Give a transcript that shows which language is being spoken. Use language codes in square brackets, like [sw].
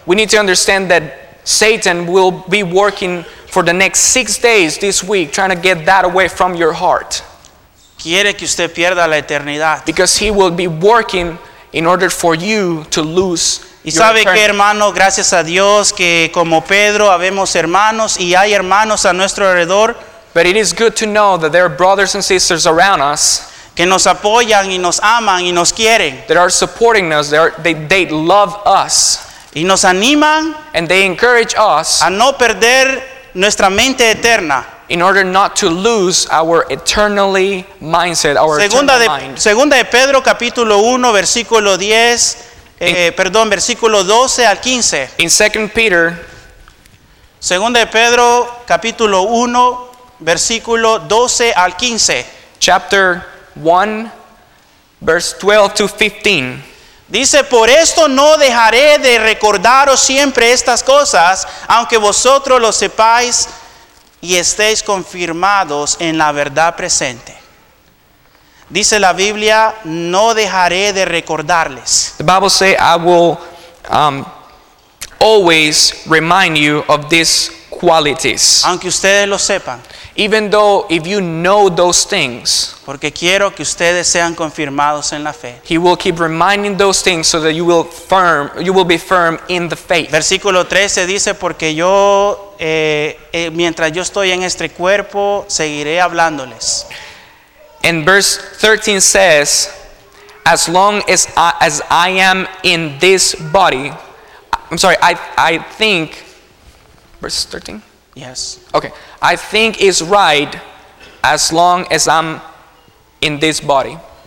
[en] We need to understand that Satan will be working for the next 6 days this week trying to get that away from your heart. [es] Quiere que usted pierda la eternidad. [en] Because he will be working in order for you to lose. [es] Y sabe qué, hermano, gracias a Dios que como Pedro habemos hermanos y hay hermanos a nuestro alrededor. [en] But it is good to know that there are brothers and sisters around us [es] que nos apoyan y nos aman y nos quieren. [en] That are supporting us, they love us. [es] Y nos animan, [en] and they encourage us, [es] a no perder nuestra mente eterna, [en] in order not to lose our eternally mindset, our [es] segunda [en] eternal [es] de, [en] mind. [es] Segunda de Pedro capítulo 1 versículo 10, versículo 12 al 15. [en] In Second Peter, [es] Segunda de Pedro capítulo 1 versículo 12 al 15. [en] Chapter 1 verse 12 to 15. [es] Dice, por esto no dejaré de recordaros siempre estas cosas, aunque vosotros lo sepáis y estéis confirmados en la verdad presente. Dice la Biblia, no dejaré de recordarles. [en] The Bible says, I will always remind you of these qualities. [es] Aunque ustedes lo sepan. [en] Even though if you know those things, [es] porque quiero que ustedes sean confirmados en la fe. [en] He will keep reminding those things so that you will be firm in the faith. [es] Versículo 13 dice, porque yo mientras yo estoy en este cuerpo seguiré hablándoles. [en] And verse 13 says, as long as I am in this body, I think Verse 13? Yes. Okay. I think it's right as long as I'm in this body.